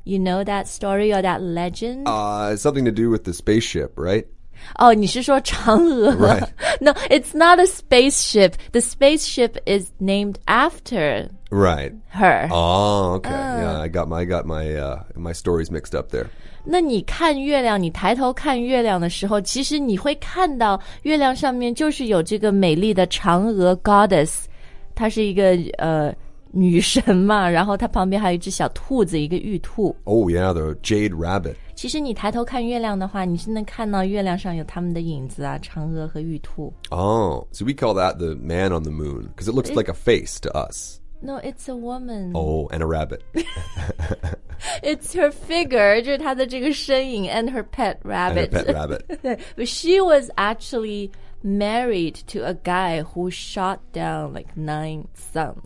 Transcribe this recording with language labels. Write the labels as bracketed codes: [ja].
[en] You know that story or that legend? Something to do with the spaceship, right? [zh] 哦，你是说嫦娥 [en] Right. No, it's not a spaceship. The spaceship is named after... Right. Her. Oh, okay.、Yeah, I got my stories mixed up there. [zh] 那你看月亮，你抬头看月亮的时候，其实你会看到月亮上面就是有这个美丽的嫦娥 goddess. 她是一个女神嘛，然后她旁边还有一只小兔子，一个玉兔。 [en] Oh, yeah, the jade rabbit. [zh] 其实你抬头看月亮的话，你是能看到月亮上有他们的影子啊，嫦娥和玉兔。 [en] Oh, so we call that the man on the moon, because it looks like a face to us. No, it's a woman. Oh, and a rabbit. It's her figure, [zh] 就是她的这个身影 [en] and her pet rabbit. And her pet rabbit. But she was actually married to a guy who shot down like 9 suns.